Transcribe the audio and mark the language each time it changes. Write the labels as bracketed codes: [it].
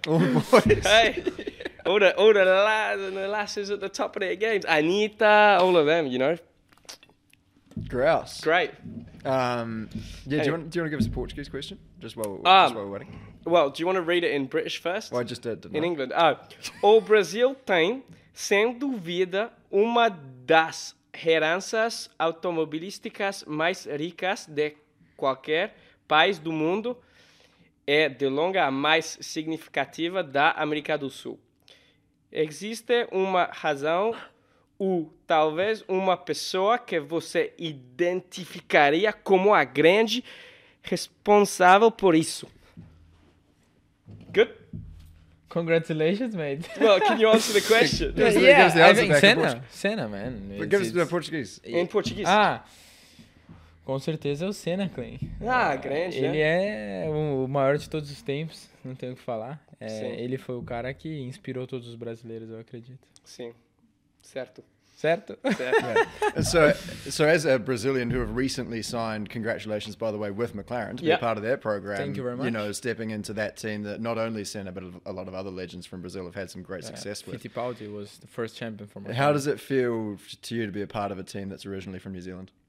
[en] All the boys. Hey, all the lads and the lasses at the top of their games. Anita, all of them, you know. Grouse. Great. Do you want to give us a Portuguese question? Just while we're waiting. Well, do you want to read it in British first? Well, I just did. In England. [pt] O Brasil tem, sem dúvida, uma das heranças automobilísticas mais ricas de qualquer país do mundo. É de longa a mais significativa da América do Sul. Existe uma razão ou talvez uma pessoa que você identificaria como a grande responsável por isso. [en] Congratulations, mate. Well, can you answer the question? Senna, man. Give us the Portuguese. In Portuguese. [pt] Ah, com certeza é o Senna, Clem. Ah, grande. Ele é o maior de todos os tempos, não tenho o que falar. Ele foi o cara que inspirou todos os brasileiros, eu acredito. Sim, certo. Certo. [en] And so as a Brazilian who have recently signed, congratulations, by the way, with McLaren to be part of their program. Thank you very much. You know, stepping into that team that not only Senna, but a lot of other legends from Brazil have had some great success with. Fittipaldi was the first champion for McLaren. How does it feel to you to be a part of a team that's originally from New Zealand?